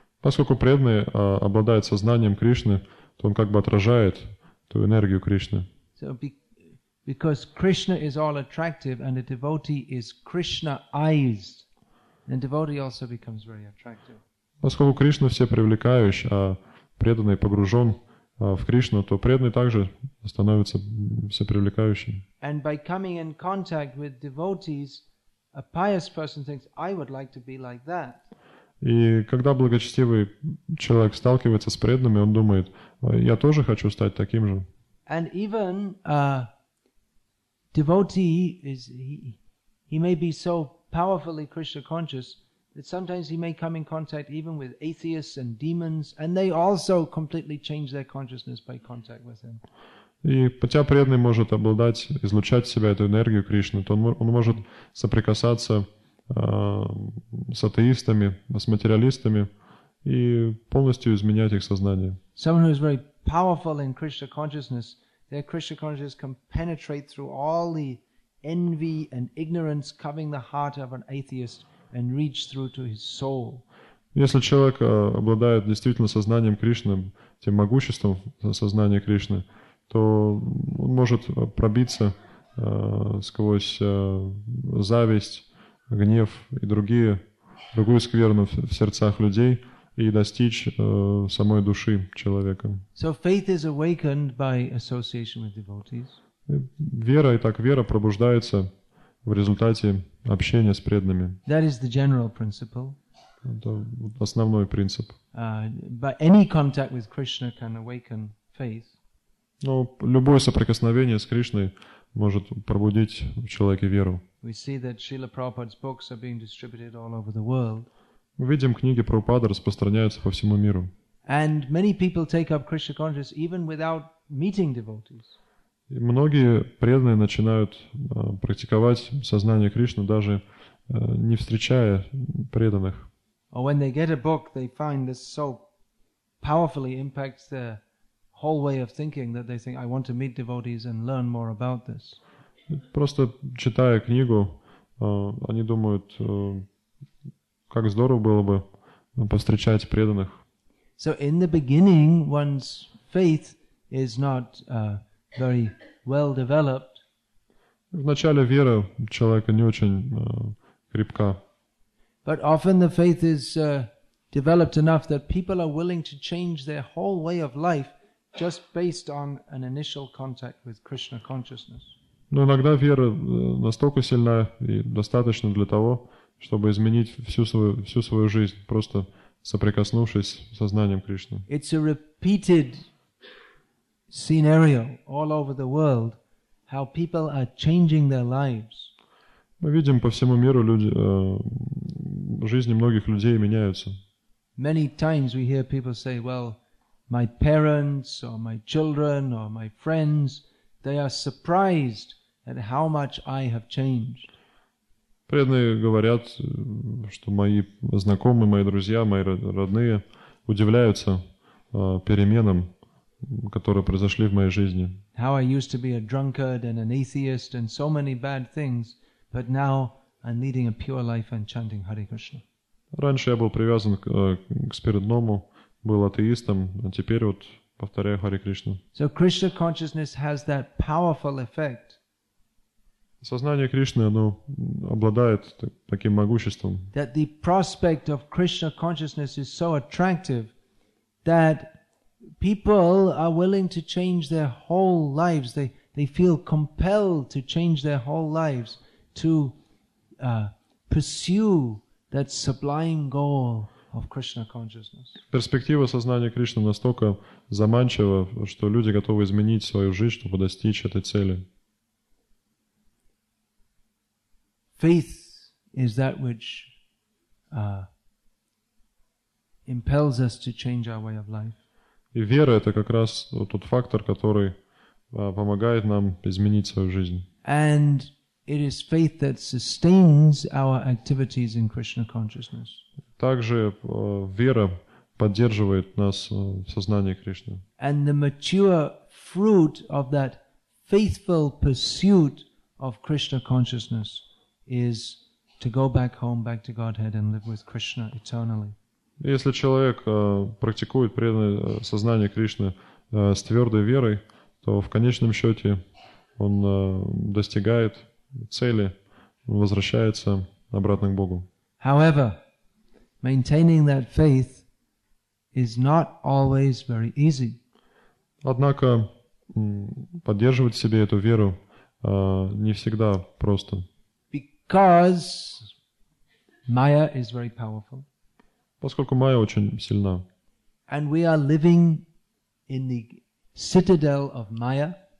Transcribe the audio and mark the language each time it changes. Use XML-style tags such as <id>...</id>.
<ru>Поскольку преданный обладает сознанием Кришны, то он как бы отражает ту энергию Кришны.</ru> <en>So because Krishna is all attractive and a devotee is Krishna-ized, then devotee also becomes very attractive.</en> <ru>Поскольку Кришна все привлекающий, а преданный погружен в Кришну, то преданный также становится все привлекающим.</ru> <en>And by coming in contact with devotees, a pious person thinks, I would like to be like that.</en> <ru>И когда благочестивый человек сталкивается с преданными, он думает, я тоже хочу стать таким же.</ru> <en>And even devotee is he may be so powerfully Krishna conscious that sometimes he may come in contact even with atheists and demons, and they also completely change their consciousness by contact with him.</en> <ru>И хотя преданный может обладать, излучать в себя эту энергию Кришны, то он может соприкасаться с атеистами, с материалистами и полностью изменять их сознание.</ru> <en>Someone who is very powerful in Krishna consciousness, their Krishna consciousness can penetrate through all the envy and ignorance covering the heart of an atheist and reach through to his soul.</en> <ru>Если человек обладает действительно сознанием Кришны, тем могуществом сознания Кришны, то он может пробиться сквозь зависть, гнев и другую скверну в сердцах людей и достичь самой души человека.</ru> <en>So faith is awakened by association with devotees.</en> <ru>Вера пробуждается в результате общения с преданными.</ru> <en>That is the general principle.</en> <ru>Это основной принцип.</ru> <en>But any contact with Krishna can awaken faith.</en> <ru>Но любое соприкосновение с Кришной может пробудить в человеке веру.</ru> <en>We see that Srila Prabhupada's books are being distributed all over the world.</en> <ru>Мы видим, книги Прабхупады распространяются по всему миру.</ru> <en>And many people take up Krishna consciousness even without meeting devotees.</en> <ru>И многие преданные начинают практиковать сознание Кришны, даже не встречая преданных.</ru> <en>Or when they get a book, they find this so powerfully impacts their whole way of thinking that they think, I want to meet devotees and learn more about this.</en> <ru>Просто читая книгу, они думают, как здорово было бы повстречать преданных.</ru> <en>So in the beginning, one's faith is not very well developed.</en> <ru>Вначале вера человека не очень крепка.</ru> <en>But often the faith is developed enough that people are willing to change their whole way of life just based on an initial contact with Krishna consciousness.</en> <ru>Но иногда вера настолько сильна и достаточно для того, чтобы изменить всю свою жизнь, просто соприкоснувшись с сознанием Кришны.</ru> <en>It's a repeated scenario all over the world, how people are changing their lives.</en> <ru>Мы видим по всему миру люди, жизни многих людей меняются.</ru> <en>Many times we hear people say, well, my parents or my children or my friends, they are surprised at how much I have changed.</en> <ru>Преданные говорят, что мои знакомые, мои друзья, мои родные удивляются переменам, которые произошли в моей жизни.</ru> <en>How I used to be a drunkard and an atheist and so many bad things, but now and leading a pure life and chanting Hare Krishna.</en> <ru>Раньше я был привязан к спиртному, был атеистом, а теперь вот повторяю Hare Krishna.</ru> <en>So Krishna consciousness has that powerful effect.</en> <ru>Сознание Кришны, оно обладает таким могуществом.</ru> <en>That the prospect of Krishna consciousness is so attractive that people are willing to change their whole lives. They feel compelled to change their whole lives to pursue that sublime goal of Krishna consciousness.</en> <ru>Перспектива сознания Кришны настолько заманчива, что люди готовы изменить свою жизнь, чтобы достичь этой цели.</ru> <en>Faith is that which impels us to change our way of life.</en> <ru>И вера — это как раз тот фактор, который помогает нам изменить свою жизнь.</ru> <en>And it is faith that sustains our activities in Krishna consciousness.</en> <ru>Также вера поддерживает нас в сознании Кришны.</ru> <en>And the mature fruit of that faithful pursuit of Krishna consciousness is to go back home, back to Godhead, and live with Krishna eternally.</en> <ru>Если человек практикует преданное сознание Кришны с твердой верой, то в конечном счете он достигает цели, возвращается обратно к Богу.</ru> <en>However, maintaining that faith is not always very easy.</en> <ru>Однако поддерживать в себе эту веру не всегда просто.</ru> <en>Because Maya is very powerful.</en> <ru>Поскольку Майя очень сильна.</ru> <en>And we are living in the citadel of Maya.</en>